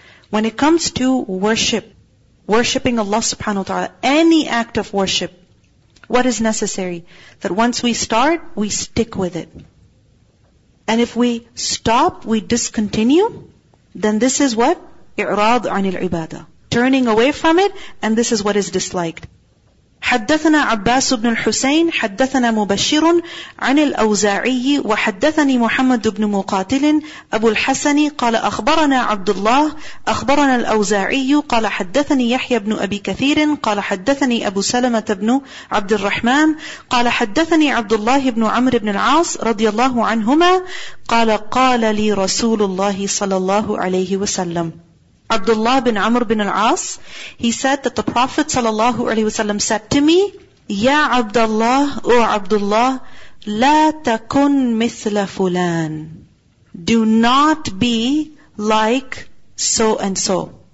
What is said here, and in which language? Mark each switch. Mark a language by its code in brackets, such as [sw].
[en] When it comes to worship, worshipping Allah subhanahu wa ta'ala, any act of worship, what is necessary? That once we start, we stick with it. And if we stop, we discontinue, then this is what? [ar] إعراض عن العبادة. [en] Turning away from it, and this is what is disliked. [ar] حدثنا عباس بن الحسين حدثنا مبشر عن الأوزاعي وحدثني محمد بن مقاتل أبو الحسن قال أخبرنا عبد الله أخبرنا الأوزاعي قال حدثني يحيى بن أبي كثير قال حدثني أبو سلمة بن عبد الرحمن قال حدثني عبد الله بن عمرو بن العاص رضي الله عنهما قال قال لي رسول الله صلى الله عليه وسلم. [en] Abdullah bin Amr bin al-As, he said that the Prophet sallallahu alaihi wasallam said to me, Ya Abdullah, O Abdullah, [ar] لا تكن مثل فلان. [en] Do not be like so and so.